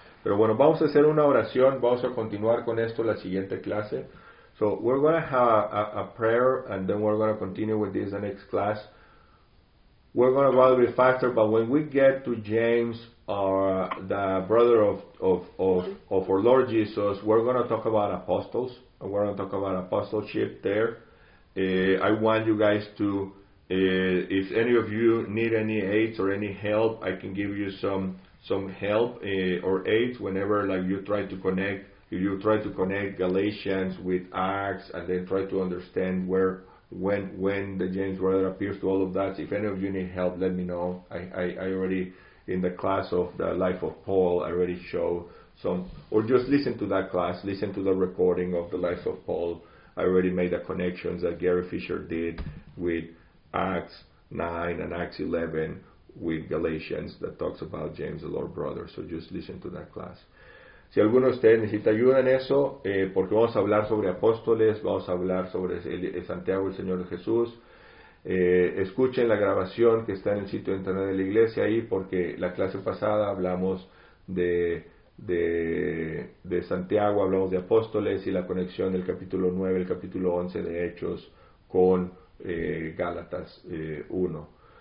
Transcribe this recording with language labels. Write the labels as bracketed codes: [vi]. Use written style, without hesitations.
[es] Pero bueno, vamos a hacer una oración, vamos a continuar con esto la siguiente clase. [en] So we're going to have a prayer, and then we're going to continue with this the next class. We're going to go a little bit faster, but when we get to James, the brother of our Lord Jesus, we're going to talk about apostles. I want to talk about apostleship there. I want you guys to, if any of you need any aids or any help, I can give you some help or aids whenever, like, you try to connect Galatians with Acts, and then try to understand when the James brother appears to all of that. If any of you need help, let me know. I already, in the class of the life of Paul, I already show. So, or just listen to that class, listen to the recording of the life of Paul. I already made the connections that Gary Fisher did with Acts 9 and Acts 11 with Galatians that talks about James, the Lord brother. So just listen to that class. [es] Si alguno de ustedes necesita ayuda en eso, porque vamos a hablar sobre apóstoles, vamos a hablar sobre el Santiago, el Señor Jesús, escuchen la grabación que está en el sitio de internet de la iglesia ahí, porque la clase pasada hablamos de Santiago, hablamos de apóstoles y la conexión del capítulo 9, el capítulo 11 de Hechos con Gálatas 1.